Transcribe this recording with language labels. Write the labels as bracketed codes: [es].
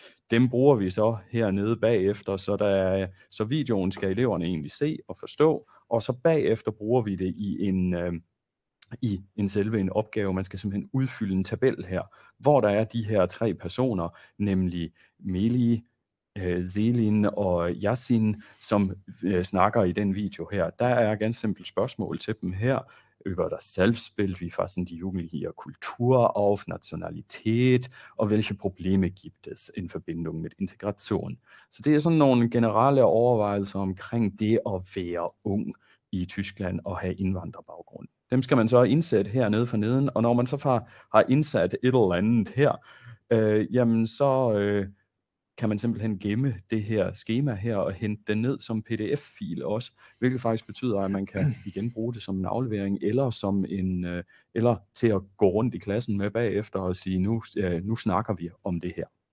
[da] Dem bruger vi så hernede bagefter, så videoen skal eleverne egentlig se og forstå, og så bagefter bruger vi det i en opgave. Man skal simpelthen udfylde en tabel her, hvor der er de her tre personer, nemlig Meli, Selin og Yasin, som snakker i den video her. Der er et ganske simpelt spørgsmål til dem her. [de] Über das Selbstbild, wie fassen die Jugendlichen ihre Kultur auf, Nationalität [da] og hvilke problemer [de] gibt es in Verbindung mit Integration. [da] Så det er sådan nogle generelle overvejelser omkring det at være ung i Tyskland og have indvandrerbaggrund. Dem skal man så indsætte hernede for neden, og når man så har indsat et eller andet her, kan man simpelthen gemme det her skema her og hente den ned som PDF-fil også, hvilket faktisk betyder, at man kan igen bruge det som en aflevering eller som en eller til at gå rundt i klassen med bagefter og sige, nu snakker vi om det her.